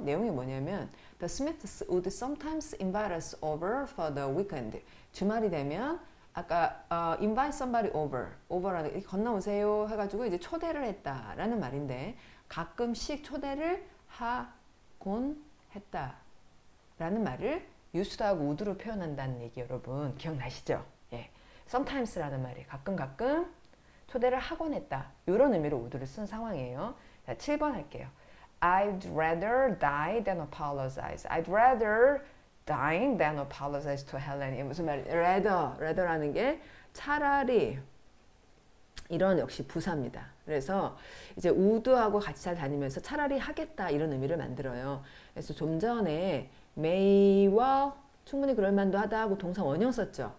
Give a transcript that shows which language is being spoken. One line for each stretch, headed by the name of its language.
Korean: 내용이 뭐냐면
English: The Smiths would sometimes invite us over for the weekend.
Korean: 주말이 되면 아까
English: invite somebody over,
Korean: 라는 건너오세요 해가지고 이제 초대를 했다라는 말인데 가끔씩 초대를 하곤 했다라는 말을 used to 하고 would로 표현한다는 얘기 여러분 기억나시죠? 예, sometimes라는 말이 가끔 가끔 초대를 하곤 했다 이런 의미로 would를 쓴 상황이에요. 자, 7번 할게요.
English: I'd rather die than apologize. I'd rather dying than apologize to Helen.
Korean: 이게 무슨 말이에요? rather라는 게 차라리 이런 역시 부사입니다. 그래서 이제 would하고 같이 잘 다니면서 차라리 하겠다 이런 의미를 만들어요. 그래서 좀 전에 may well 충분히 그럴만도 하다 하고 동사 원형 썼죠.